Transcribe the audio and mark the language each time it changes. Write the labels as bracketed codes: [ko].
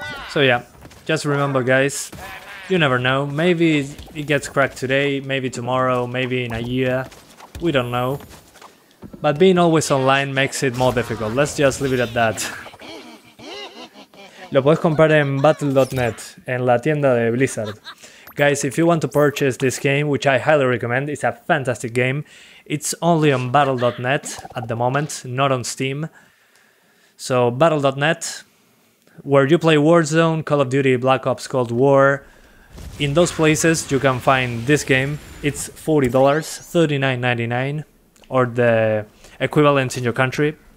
[en] So yeah, just remember, guys, you never know. Maybe it gets cracked today, maybe tomorrow, maybe in a year, we don't know. But being always online makes it more difficult, let's just leave it at that. [es] Lo puedes comprar en battle.net, en la tienda de Blizzard. [en] Guys, if you want to purchase this game, which I highly recommend, it's a fantastic game. It's only on battle.net at the moment, not on Steam. So battle.net, where you play Warzone, Call of Duty, Black Ops, Cold War. In those places, you can find this game. It's $40, $39.99, or the equivalent in your country.